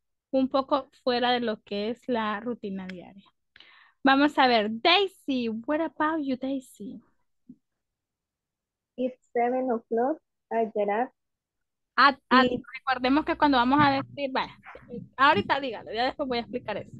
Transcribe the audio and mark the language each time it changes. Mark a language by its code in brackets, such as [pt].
[es] Un poco fuera de lo que es la rutina diaria. Vamos a ver, [en] Daisy, what about you, Daisy? It's 7 o'clock, I get up. [es] Recordemos que cuando vamos a decir, vaya, ahorita dígalo, ya después voy a explicar eso.